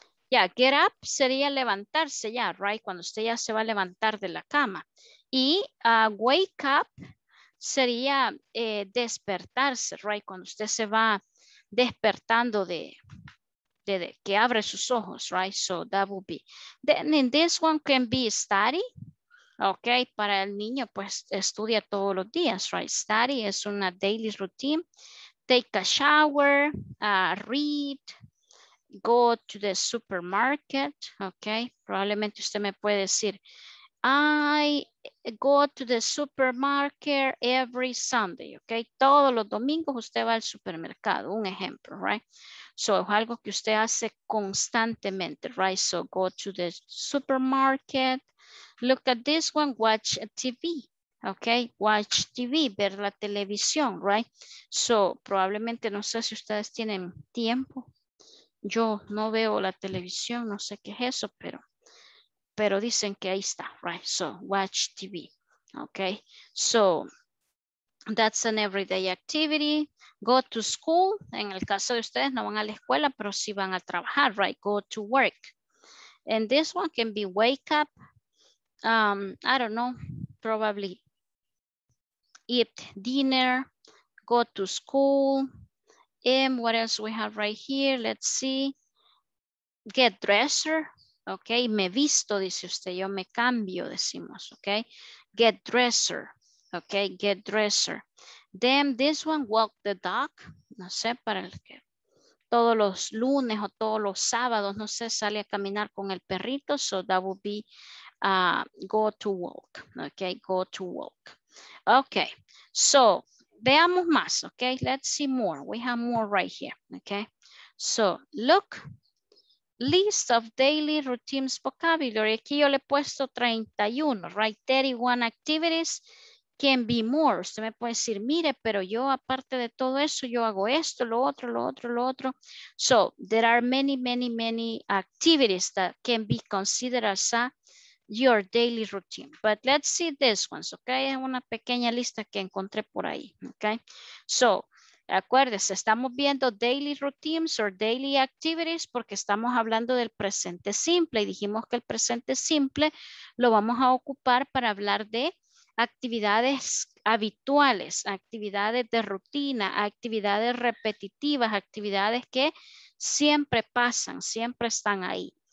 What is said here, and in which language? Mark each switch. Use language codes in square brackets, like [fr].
[es] yeah, [en] get up [es] sería levantarse ya, right, cuando usted ya se va a levantar de la cama, y [en] wake up [es] sería despertarse, right, cuando usted se va despertando de que abre sus ojos, right? [en] So that would be. Then in this one can be study, okay? [es] Para el niño, pues estudia todos los días, right? [en] Study [es] es una [en] daily routine. Take a shower, read, go to the supermarket, okay? [es] Probablemente usted me puede decir, [en] I go to the supermarket every Sunday, okay? [es] Todos los domingos usted va al supermercado, un ejemplo, right? So, es algo que usted hace constantemente, right? [en] So, go to the supermarket, look at this one, watch TV, okay? Watch TV, [es] ver la televisión, right? So, probablemente, no sé si ustedes tienen tiempo. Yo no veo la televisión, no sé qué es eso, pero... Pero dicen que ahí está, right? [en] So, watch TV, [es] okay? [en] So, that's an everyday activity. Go to school. [es] En el caso de ustedes, no van a la escuela, pero sí van a trabajar, right? [en] Go to work. And this one can be wake up. I don't know, probably eat dinner, go to school. And what else we have right here? Let's see. Get dressed. [es] Okay, me visto, dice usted, yo me cambio, decimos, okay, [en] get dresser, [es] okay, get dresser. [en] Then this one, walk the dog, [es] no sé, para el que todos los lunes o todos los sábados, no sé, sale a caminar con el perrito, [en] so that would be go to walk, [es] okay, go to walk. [en] Okay, so [es] veamos más, [en] okay, let's see more, we have more right here, okay, so look. List of daily routines vocabulary. [es] Aquí yo le he puesto [en] 31, right? 31 activities can be more. [es] Usted me puede decir, mire, pero yo aparte de todo eso, yo hago esto, lo otro, lo otro, lo otro. [en] So, there are many, many, many activities that can be considered as a, your daily routine. But let's see these ones, okay? [es] Es una pequeña lista que encontré por ahí, okay? So, acuérdese, estamos viendo [en] daily routines or daily activities [es] porque estamos hablando del presente simple y dijimos que el presente simple lo vamos a ocupar para hablar de actividades habituales, actividades de rutina, actividades repetitivas, actividades que siempre pasan, siempre están ahí.